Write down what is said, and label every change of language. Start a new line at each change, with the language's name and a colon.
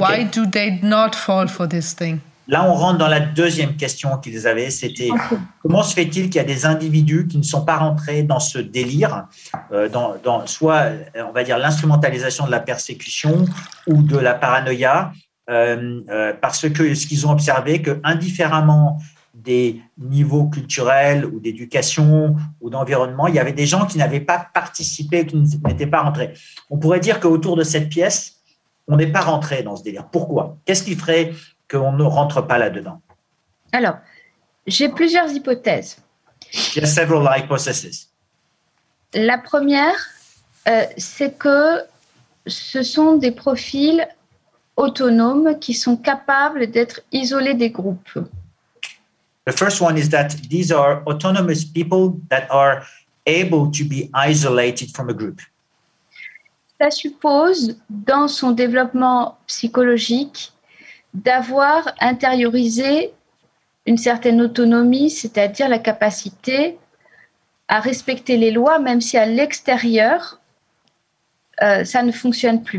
English: Why do they not fall for this thing?
French: Là, on rentre dans la deuxième question qu'ils avaient, c'était comment se fait-il qu'il y a des individus qui ne sont pas rentrés dans ce délire, dans soit, on va dire, l'instrumentalisation de la persécution ou de la paranoïa, parce que ce qu'ils ont observé, que indifféremment des niveaux culturels ou d'éducation ou d'environnement, il y avait des gens qui n'avaient pas participé, qui n'étaient pas rentrés. On pourrait dire qu'autour de cette pièce, on n'est pas rentré dans ce délire. Pourquoi? Qu'est-ce qui ferait qu'on ne rentre pas là-dedans? Alors, j'ai plusieurs hypothèses. Il y a
English: several hypotheses.
French: La première, c'est que ce sont des profils autonomes qui sont capables d'être isolés des groupes.
English: The first one is that these are autonomous people that are able to be isolated from a group.
French: Ça suppose, dans son développement psychologique, d'avoir intériorisé une certaine autonomie, c'est-à-dire la capacité à respecter les lois, même si à l'extérieur, ça ne fonctionne plus.